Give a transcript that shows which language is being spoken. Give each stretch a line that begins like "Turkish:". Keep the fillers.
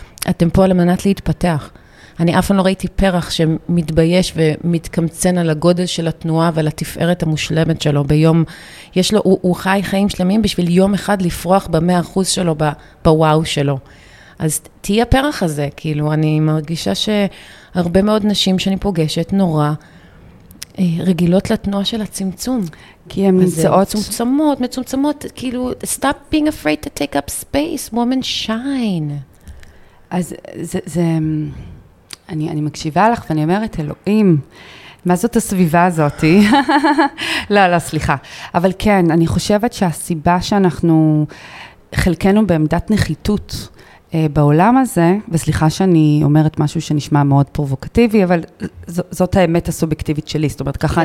Hebrew: אתם פה על מנת להתפתח. אני אף פעם לא ראיתי פרח שמתבייש ומתקמצן על הגודל של התנועה ועל התפארת המושלמת שלו ביום. יש לו, הוא, הוא חי חיים שלמים בשביל יום אחד לפרוח במאה אחוז שלו, ב, בוואו שלו. אז תהיה הפרח הזה, כאילו, אני מרגישה שהרבה מאוד נשים שאני פוגשת נורא רגילות לתנועה של הצמצום. כי הן נמצאות... מצומצמות, מצומצמות, כאילו,
English: stop being afraid to take up space, woman shine.
Hebrew: אז זה... זה אני, אני מקשיבה לך ואני אומרת, אלוהים, מה זאת הסביבה הזאתי? לא, לא, סליחה. אבל כן, אני חושבת שהסיבה שאנחנו חלקנו בעמדת נחיתות, בעולם הזה, וסליחה שאני אומרת משהו שנשמע מאוד פרובוקטיבי, אבל ז, זאת האמת הסובייקטיבית שלי, זאת אומרת, ככה כן. Yeah.